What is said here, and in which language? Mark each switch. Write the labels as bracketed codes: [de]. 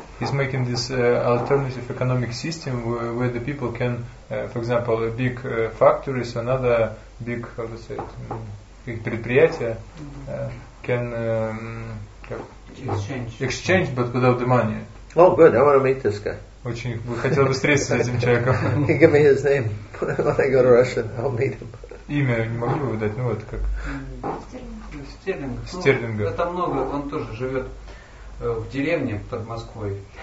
[en] He's making this alternative economic system where the people can, for example, a big factories, another big, how to say it, big предприятия can exchange, but without the money. Oh, good. I want to meet this guy. [ru] Очень бы хотел бы встретиться с этим человеком. [en] He gave me his name when I go to Russia. I'll meet him. [ru] Имя не могу выдать, ну вот как. Стерлинг. Это много. Он тоже живет в деревне под Москвой.